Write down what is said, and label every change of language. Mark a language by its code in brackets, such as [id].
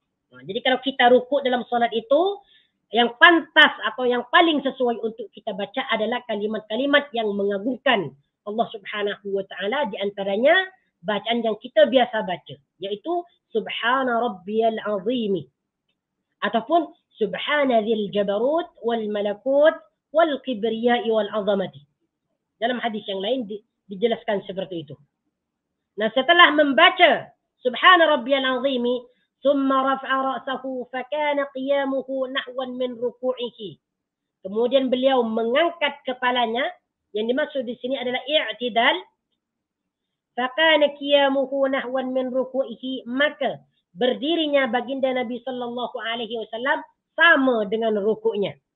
[ms] Nah, jadi kalau kita ruku' dalam solat itu, yang pantas atau yang paling sesuai untuk kita baca adalah kalimat-kalimat yang mengagungkan Allah Subhanahu wa taala, di antaranya bacaan yang kita biasa baca, yaitu subhana rabbiyal azimi ataupun subhana dzil jabarut wal malakut wal kibriyai wal azamati. Dalam hadis yang lain dijelaskan seperti itu. Nah, setelah membaca subhana rabbiyal azimi, [ar] ثُمَّ رَفْعَ رَأْسَهُ فَكَانَ قِيَامُهُ نَحْوًا مِنْ رُكُوعِهِ. [ms] Kemudian beliau mengangkat kepalanya. Yang dimaksud di sini adalah i'tidal. [ar] فَكَانَ قِيَامُهُ نَحْوًا مِنْ رُكُوعِهِ. [ms] Maka berdirinya baginda Nabi SAW sama dengan rukuknya.